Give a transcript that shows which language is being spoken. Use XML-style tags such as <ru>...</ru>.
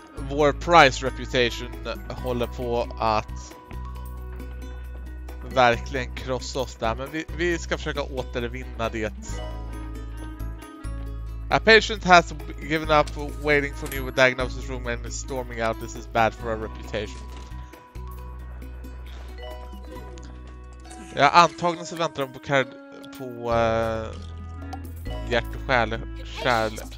<sv>Vår price reputation håller på att verkligen krossa oss där, men vi ska försöka återvinna det.</sv> <en>A patient has given up waiting for new diagnosis room and is storming out. This is bad for our reputation.</en> <sv>Ja, antagligen så väntar de på hjärt- och kärl.</sv>